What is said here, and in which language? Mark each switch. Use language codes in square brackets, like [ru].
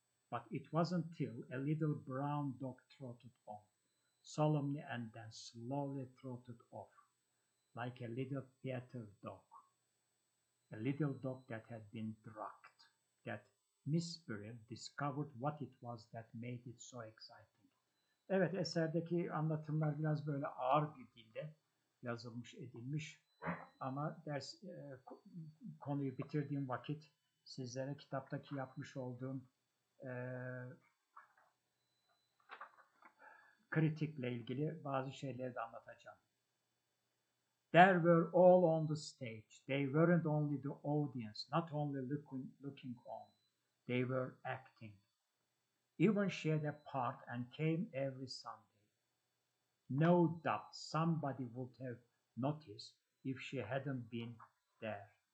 [en] But it wasn't till a little brown dog trotted on, solemnly and then slowly trotted off, like a little theater dog. A little dog that had been drugged, that Miss Spirit discovered what it was that made it so exciting. [tr] Evet, eserdeki anlatımlar biraz böyle ağır bir dilde yazılmış, edilmiş. Ama ders konuyu bitirdiğim vakit sizlere kitaptaki yapmış olduğum kritikle ilgili bazı şeyleri de anlatacağım. [en] There were all on the stage. They weren't only the audience, not only looking on. They were acting. Even shared a part and came every Sunday. No doubt somebody would have noticed if she hadn't been there.